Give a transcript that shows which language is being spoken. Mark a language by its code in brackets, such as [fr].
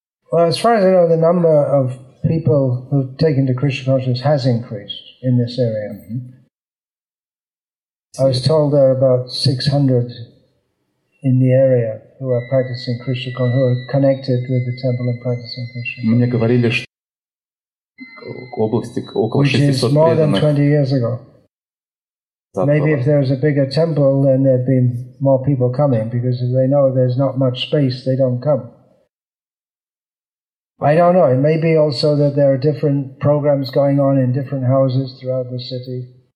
[en] Well, as far as I know, the number of people who've taken to Krishna consciousness has increased in this area. I was told there are about 600 in the area who are practicing Krishna consciousness, who are connected with the temple and practicing Krishna. [ru] Мне говорили, что области около 600 преданных. [en] Which is more than 20 years ago. Maybe if there was a bigger temple, then there'd be more people coming, because if they know there's not much space, they don't come. I don't know. It may be also that there are different programs going on in different houses throughout the city.